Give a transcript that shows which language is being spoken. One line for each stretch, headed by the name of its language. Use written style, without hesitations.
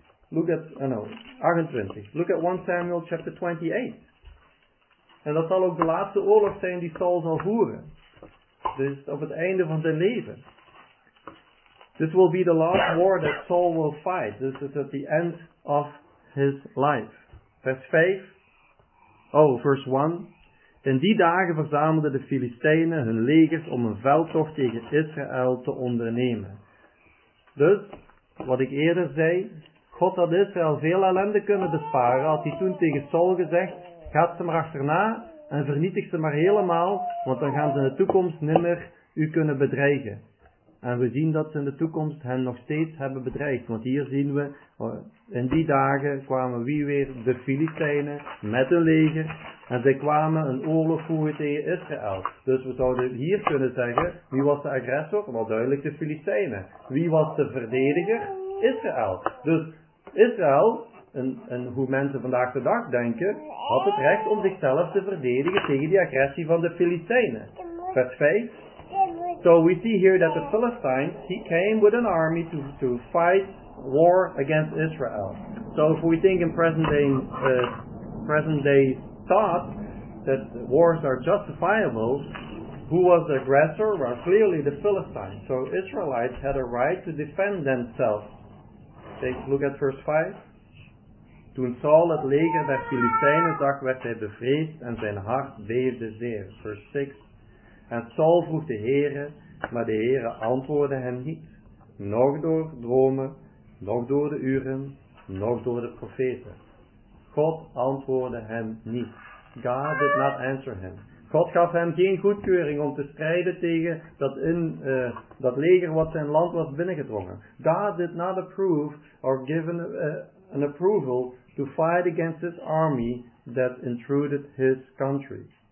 English: Look at, 28. Look at 1 Samuel chapter 28.
Dutch: En dat zal ook de laatste oorlog zijn die Saul zal voeren. Dus op het einde van zijn leven.
English: This will be the last war that Saul will fight. This is at the end of his life.
Dutch: Vers 5. Oh, vers 1. In die dagen verzamelden de Filistijnen hun legers om een veldtocht tegen Israël te ondernemen. Dus, wat ik eerder zei, God had Israël veel ellende kunnen besparen, had hij toen tegen Saul gezegd, ga ze maar achterna en vernietig ze maar helemaal, want dan gaan ze in de toekomst nimmer u kunnen bedreigen. En we zien dat ze in de toekomst hen nog steeds hebben bedreigd. Want hier zien we, in die dagen kwamen wie weer? De Filistijnen met hun leger. En zij kwamen een oorlog voeren tegen Israël. Dus we zouden hier kunnen zeggen, wie was de agressor? Wel duidelijk de Filistijnen. Wie was de verdediger? Israël. Dus Israël, en hoe mensen vandaag de dag denken, had het recht om zichzelf te verdedigen tegen die agressie van de Filistijnen. Vers 5.
English: So we see here that the Philistines, he came with an army to fight war against Israel. So if we think in present day thought that wars are justifiable, who was the aggressor? Well, clearly the Philistines. So Israelites had a right to defend themselves. Take a look at verse 5.
Dutch: Toen Saul het leger der Filistijnen zag, werd hij bevreesd en zijn hart beefde zeer. Verse 6. En Saul vroeg de Heere, maar de Heere antwoordde hem niet, nog door dromen, nog door de uren, nog door de profeten. God antwoordde hem niet.
English: God did not answer him.
Dutch: God gaf hem geen goedkeuring om te strijden tegen dat, dat leger wat zijn land was binnengedrongen.
English: God did not approve or give an approval to fight against his army that intruded his country.